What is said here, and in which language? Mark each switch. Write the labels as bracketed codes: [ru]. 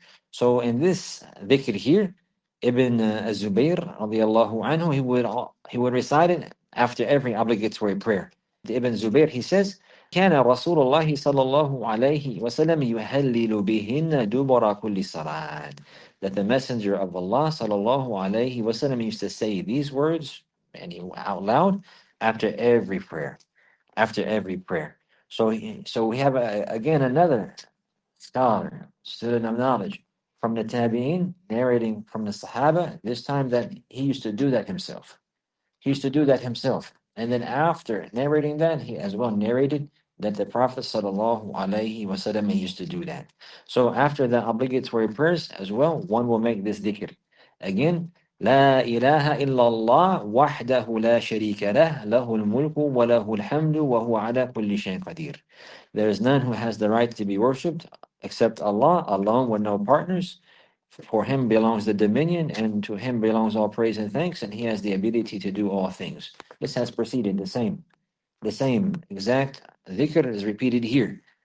[en] So in this dhikr here, Ibn Zubayr radiallahu anhu, he would recite it after every obligatory prayer. Ibn Zubayr, he says, [ar] كَانَ رَسُولُ اللَّهِ صَلَى اللَّهُ عَلَيْهِ وَسَلَمَ يُهَلِّلُ بِهِنَّ دُبَرَ كُلِّ صَلَاةٍ. [en] That the Messenger of Allah [ar] صَلَى اللَّهُ عَلَيْهِ وَسَلَمَ [en] used to say these words, and he, out loud, after every prayer. After every prayer. So we have again another scholar, student of knowledge from the Tabi'in, narrating from the Sahaba, this time that he used to do that himself. He used to do that himself. And then after narrating that, he as well narrated that the Prophet Sallallahu Alaihi Wasallam used to do that. So after the obligatory prayers as well, one will make this dhikr. Again, [ar] لا إله إلا الله وحده لا شريك له له الملك وله الحمد وهو على كل شيء قدير. [en] There is none who has the right to be worshipped except Allah, alone with no partners. For Him belongs the dominion, and to Him belongs all praise and thanks, and He has the ability to do all things. This has preceded the same. The same exact dhikr is repeated here.